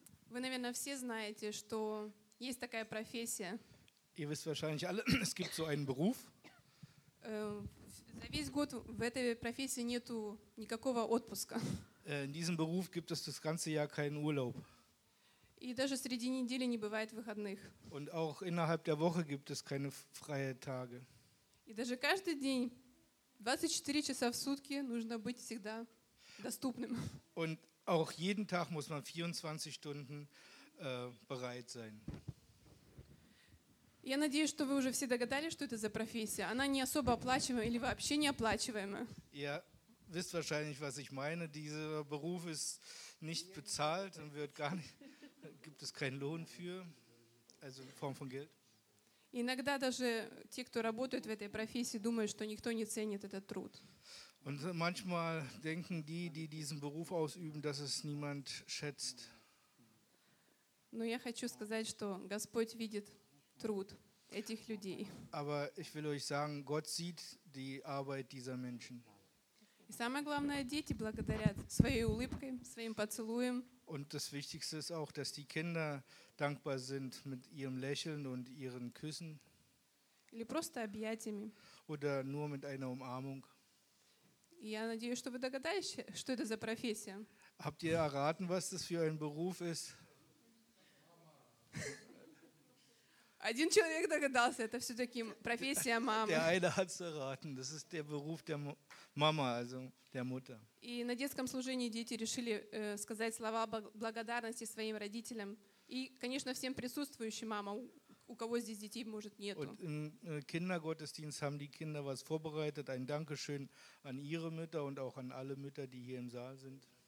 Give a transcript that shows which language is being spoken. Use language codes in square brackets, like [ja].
[ru] Вы, наверное, все знаете, что есть такая профессия. [de] Ihr wisst wahrscheinlich alle, es gibt so einen Beruf. [ru] За весь год в этой профессии нету никакого отпуска. [de] In diesem Beruf gibt es das ganze Jahr keinen Urlaub. [ru] И даже среди недели не бывает выходных. [de] Und auch innerhalb der Woche gibt es keine freien Tage. [ru] И даже каждый день 24 часа в сутки нужно быть всегда доступным. [de] Und auch jeden Tag muss man 24 Stunden bereit sein. [ru] Я надеюсь, что вы уже все догадались, что это за профессия. Она не особо оплачиваемая или вообще не оплачиваемая. [de] Ihr wisst wahrscheinlich, was ich meine. Dieser Beruf ist nicht bezahlt und wird gar nicht, gibt es keinen Lohn für, also in Form von Geld. [ru] Иногда даже те, кто работают в этой профессии, думают, что никто не ценит этот труд. [de] Und manchmal denken die, die diesen Beruf ausüben, dass es niemand schätzt. [ru] Но я хочу сказать, что Господь видит труд этих людей. [de] Aber ich will euch sagen, Gott sieht die Arbeit dieser Menschen. [ru] И самое главное, дети благодарят своей улыбкой, своим поцелуем. [de] Und das Wichtigste ist auch, dass die Kinder dankbar sind mit ihrem Lächeln und ihren Küssen. [ru] Или просто объятиями. [de] Oder nur mit einer Umarmung. [ru] И я надеюсь, что вы догадались, что это за профессия. [de] Habt ihr erraten, was das für ein Beruf ist? [ru] Один человек догадался, это все-таки профессия мамы. [de] Der eine hat's erraten, das ist der Beruf der Mama, also der Mutter. [ru] И на детском служении дети решили сказать слова благодарности своим родителям и, конечно, всем присутствующим мамам, у кого здесь детей, может, нету. [de] Und im Kindergottesdienst haben die Kinder was vorbereitet, ein Dankeschön an ihre Mütter und auch an alle Mütter, die hier im Saal sind.